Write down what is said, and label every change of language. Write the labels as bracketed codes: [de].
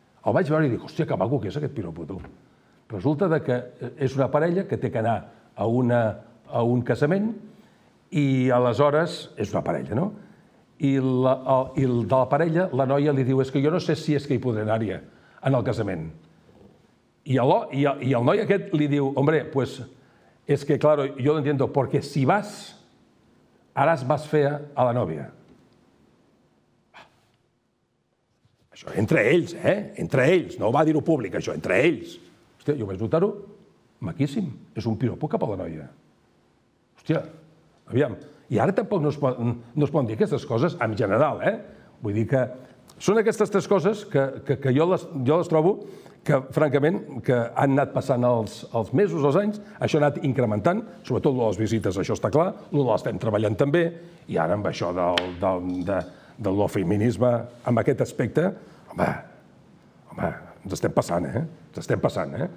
[ca] El vaig veure i dic, hòstia, que maco que és aquest piropo, tu. Resulta que és una parella que té que anar a un casament i aleshores, és una parella, no? I de la parella, la noia li diu, és que jo no sé si és que hi podré anar-hi en el casament. I el noi aquest li diu, [es] hombre, pues, es que claro, yo lo entiendo, porque si vas, harás más fea a la novia. [ca] Això entre ells, eh? Entre ells, no ho va dir-ho públic, això, entre ells. Hòstia, jo vaig notar-ho maquíssim. És un piropo cap a la noia. Hòstia, aviam. I ara tampoc no es poden dir aquestes coses en general, eh? Vull dir que són aquestes tres coses que jo les trobo que, francament, que han anat passant els mesos, els anys, això ha anat incrementant, sobretot les visites, això està clar, l'estem treballant també, i ara amb això del feminisme, amb aquest aspecte, home, ens estem passant, eh? Ens estem passant, eh?